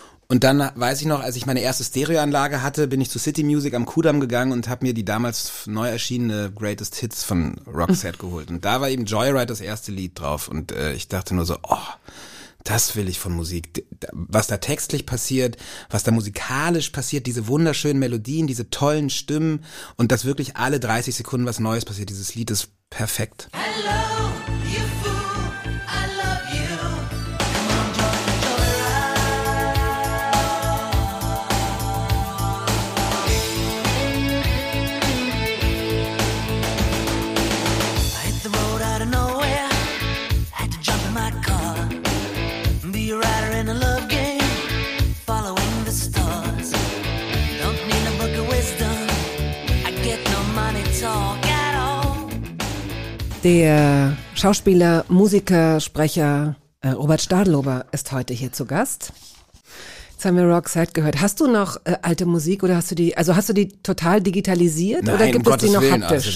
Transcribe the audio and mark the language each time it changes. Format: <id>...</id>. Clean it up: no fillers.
<de>Und dann weiß ich noch, als ich meine erste Stereoanlage hatte, bin ich zu City Music am Kudamm gegangen und habe mir die damals neu erschienene Greatest Hits von Roxette geholt. Und da war eben Joyride das erste Lied drauf und ich dachte nur so, oh, Das will ich von Musik. Was da textlich passiert, was da musikalisch passiert, diese wunderschönen Melodien, diese tollen Stimmen und dass wirklich alle 30 Sekunden was Neues passiert. Dieses Lied ist perfekt.</de> <en>Hello, you fool, I love you. Come on, join the ride. I hit the road out of nowhere. Had to jump in my car. Be a rider in a love game. Following the stars. Don't need a book of wisdom. I get no money talk.</en> <de>Der Schauspieler, Musiker, Sprecher Robert Stadlober ist heute hier zu Gast. Jetzt haben wir Rockside gehört. Hast du noch alte Musik oder hast du die total digitalisiert? Nein, oder gibt um es die noch Willen, haptisch?</de>